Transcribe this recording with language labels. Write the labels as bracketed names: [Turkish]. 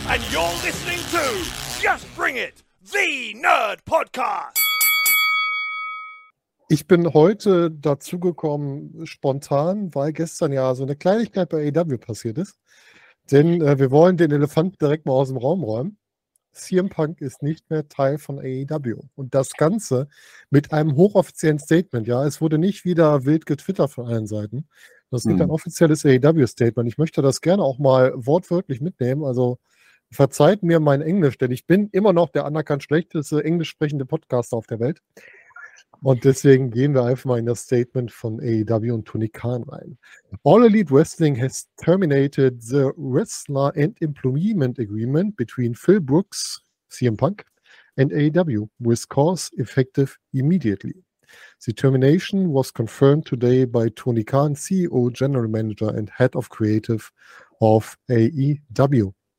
[English] You're listening to Just Bring It, the Nerd Podcast. [German] Ich bin heute dazugekommen, spontan, weil gestern ja so eine Kleinigkeit bei AEW passiert ist. Denn wir wollen den Elefanten direkt mal aus dem Raum räumen. CM Punk ist nicht mehr Teil von AEW. Und das Ganze mit einem hochoffiziellen Statement. Ja, es wurde nicht wieder wild getwittert von allen Seiten. Das gibt ein offizielles AEW-Statement. Ich möchte das gerne auch mal wortwörtlich mitnehmen. Also verzeiht mir mein Englisch, denn ich bin immer noch der anerkannt schlechteste englisch sprechende Podcaster auf der Welt. Und deswegen gehen wir einfach mal in das Statement von AEW und Tony Khan rein. [English] All Elite Wrestling has terminated the Wrestler and Employment Agreement between Phil Brooks, CM Punk, and AEW, with cause effective immediately. The termination was confirmed today by Tony Khan, CEO, General Manager and Head of Creative of AEW.